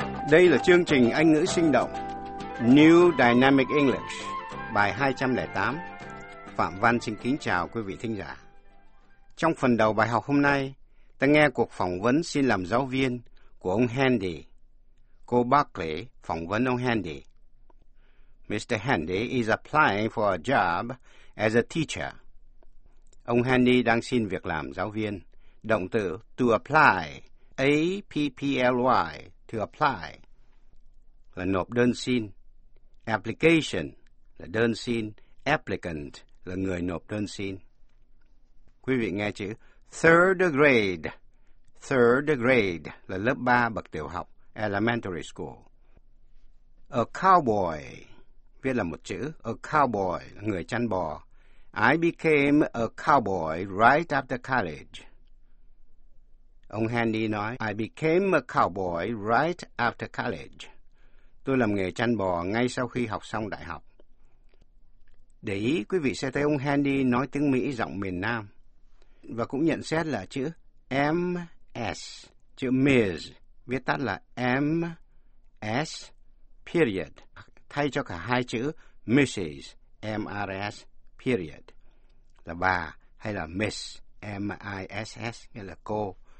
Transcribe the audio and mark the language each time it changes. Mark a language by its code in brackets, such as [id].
[vi] Đây là chương trình Anh ngữ sinh động New Dynamic English, bài 208. Phạm Văn xin kính chào quý vị thính giả. Trong phần đầu bài học hôm nay, ta nghe cuộc phỏng vấn xin làm giáo viên của ông Handy. Cô Barclay phỏng vấn ông Handy. [en] Mr. Handy is applying for a job as a teacher. [vi] Ông Handy đang xin việc làm giáo viên. Động từ to apply, A-P-P-L-Y, to apply, là nộp đơn xin. Application là đơn xin. Applicant là người nộp đơn xin. Quý vị nghe chữ third grade. Third grade là lớp 3 bậc tiểu học, elementary school. A cowboy, viết là một chữ. A cowboy là người chăn bò. [en] I became a cowboy right after college. [vi] Ông Handy nói, [en] I became a cowboy right after college. [vi] Tôi làm nghề chăn bò ngay sau khi học xong đại học. Để ý, quý vị sẽ thấy ông Handy nói tiếng Mỹ giọng miền Nam. Và cũng nhận xét là chữ MS, chữ Ms, viết tắt là MS, period, thay cho cả hai chữ Mrs, MRS, period, là bà, hay là Miss, M-I-S-S, nghĩa là cô.